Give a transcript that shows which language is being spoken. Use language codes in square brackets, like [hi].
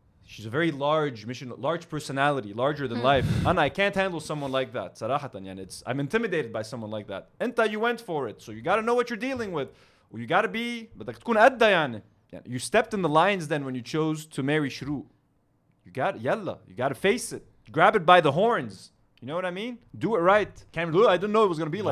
[en] She's a very large mission, large personality, larger than life. انا, I can't handle someone like that, صراحة, يعني, it's, I'm intimidated by someone like that. انت, you went for it, so you gotta know what you're dealing with. Well, you gotta be, [ar] بدك تكون قدة, [en] يعني. You stepped in the lines then when you chose to marry شروق. You got, يلا, you gotta face it. Grab it by the horns. You know what I mean? Do it right. Can't do it. I didn't know it was going to be like